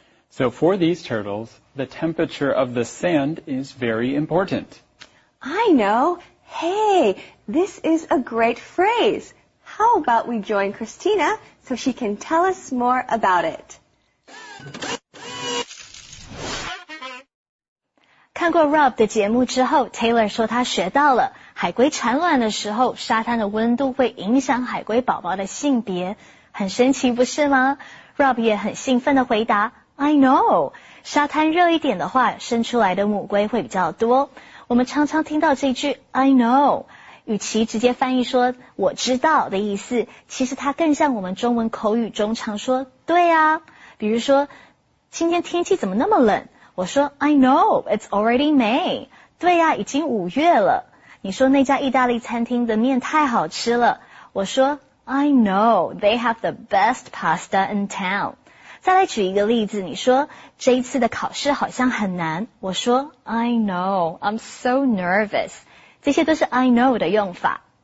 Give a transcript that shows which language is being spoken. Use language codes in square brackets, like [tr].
[en] So, for these turtles, the temperature of the sand is very important. I know. Hey, this is a great phrase. How about we join Christina so she can tell us more about it? [zh] 看过 Rob 的节目之后 ,Taylor 说他学到了海龟产卵的时候沙滩的温度会影响海龟宝宝的性别。很神奇不是吗 ?Rob 也很兴奋地回答 , [en] I know, [zh] 沙滩热一点的话生出来的母龟会比较多。我们常常听到这句 , [en] I know, [zh] 与其直接翻译说我知道的意思其实它更像我们中文口语中常说对啊。比如说今天天气怎么那么冷我说 [en] I know, it's already May. [zh] 对啊已经五月了。你说那家意大利餐厅的面太好吃了。我说 [en] I know, they have the best pasta in town. [zh] 再来举一个例子你说这一次的考试好像很难。我说 [en] I know, I'm so nervous. [zh] 这些都是 I know 的用法。